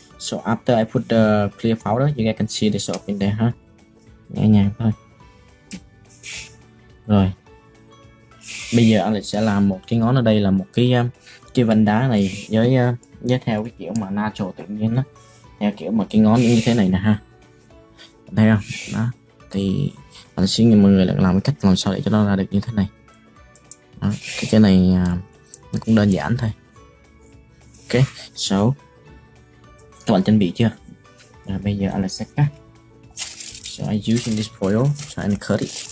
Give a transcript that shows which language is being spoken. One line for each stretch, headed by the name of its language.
English: So after I put the clear powder, you guys can see this up in there ha.
Vietnamese: Nhẹ nhàng thôi. Rồi bây giờ anh sẽ làm một cái ngón ở đây, là một cái vành đá này với nhớ theo cái kiểu mà natural tự nhiên đó, theo kiểu mà cái ngón như thế này nè ha, thấy không đó. Thì mình xin mọi người là làm cái cách làm sao để cho nó ra được như thế này đó. Cái này nó cũng đơn giản thôi.
English: Ok, so
Vietnamese: các bạn chuẩn bị chưa? Rồi bây giờ anh sẽ cắt.
English: So I using this foil, so I cut it.